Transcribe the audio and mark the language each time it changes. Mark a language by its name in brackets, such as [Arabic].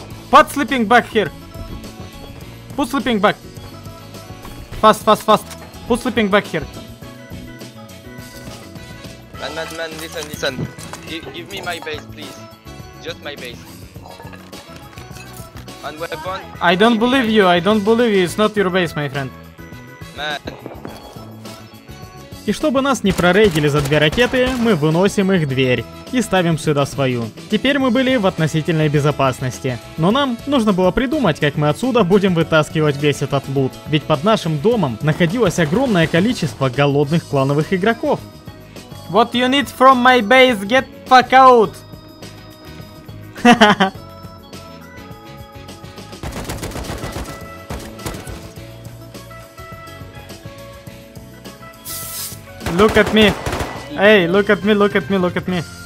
[English] Put sleeping bag here. Put sleeping bag. Fast, fast, fast. Put sleeping bag here. Man, man, man, listen, listen. Give me my base, please. Just my base. And weapon. I don't believe you. I don't believe you. It's not your base, my friend. Man. [Russian] И чтобы нас не прорейдили за две ракеты, мы выносим их дверь и ставим сюда свою. Теперь мы были в относительной безопасности. Но нам нужно было придумать, как мы отсюда будем вытаскивать весь этот лут. Ведь под нашим домом находилось огромное количество голодных клановых игроков. [English] What you need from my base, get fuck out! Look at me! Hey, look at me, look at me, look at me!